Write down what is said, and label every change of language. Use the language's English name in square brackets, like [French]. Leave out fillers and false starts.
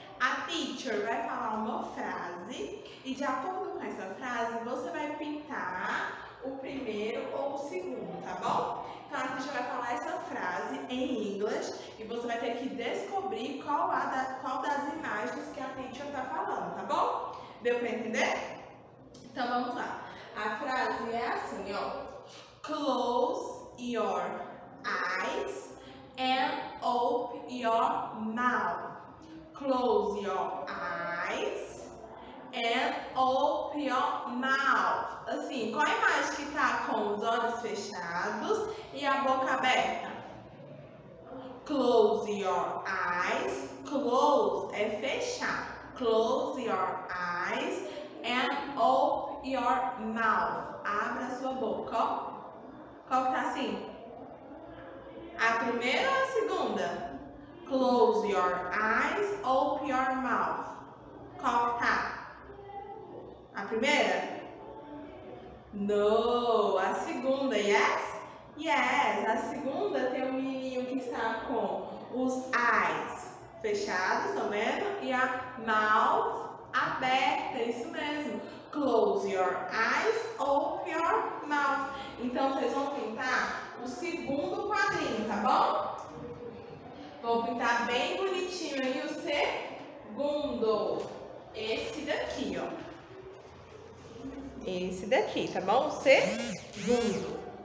[Portuguese] A teacher vai falar uma frase e de acordo com essa frase você vai pintar o primeiro ou o segundo, tá bom? Então a teacher vai falar essa frase em inglês e você vai ter que descobrir qual das imagens que a teacher tá falando, tá bom? Deu para entender? Então vamos lá. A frase é assim, ó. [English] Close your eyes and open your mouth. Close your eyes and open your mouth. [Portuguese] Assim, qual a imagem que tá com os olhos fechados e a boca aberta? [English] Close your eyes. Close [Portuguese] é fechar. [English] Close your eyes and open your mouth. [Portuguese] Abra sua boca, ó. Qual que tá assim? A primeira ou a segunda? [English] Close your eyes, open your mouth. [Portuguese] Qual que tá? A primeira? No, a segunda, yes? Yes, a segunda tem um menininho que está com os eyes fechados, tá vendo? E a mouth aberta, isso mesmo. [English] Close your eyes, open your mouth. [Portuguese] Então, vocês vão pintar o segundo quadrinho, tá bom? Vou pintar bem bonitinho aí o segundo. Esse daqui, ó. Esse daqui, tá bom? O segundo.